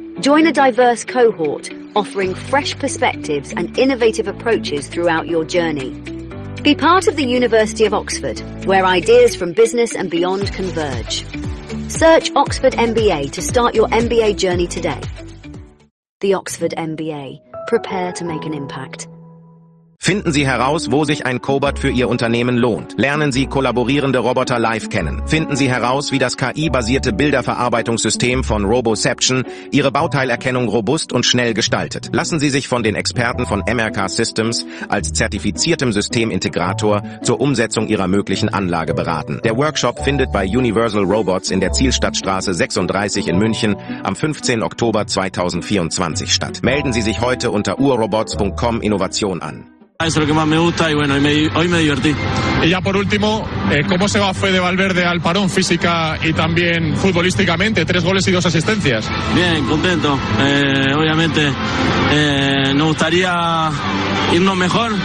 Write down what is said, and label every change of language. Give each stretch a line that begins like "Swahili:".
English: Join a diverse cohort offering fresh perspectives and innovative approaches throughout your journey. Be part of the University of Oxford, where ideas from business and beyond converge. Search Oxford MBA to start your MBA journey today. The Oxford MBA. Prepare to make an impact.
German: Finden Sie heraus, wo sich ein Cobot für Ihr Unternehmen lohnt. Lernen Sie kollaborierende Roboter live kennen. Finden Sie heraus, wie das KI-basierte Bilderverarbeitungssystem von Roboception Ihre Bauteilerkennung robust und schnell gestaltet. Lassen Sie sich von den Experten von MRK Systems als zertifiziertem Systemintegrator zur Umsetzung Ihrer möglichen Anlage beraten. Der Workshop findet bei Universal Robots in der Zielstadtstraße 36 in München am 15. Oktober 2024 statt. Melden Sie sich heute unter urrobots.com Innovation an.
Spanish: Eso es lo que más me gusta y bueno, hoy me divertí. Y ya por último, ¿cómo se va Fede Valverde al parón física y también futbolísticamente? 3 goles y 2 asistencias. Bien, contento. Obviamente, nos gustaría irnos mejor.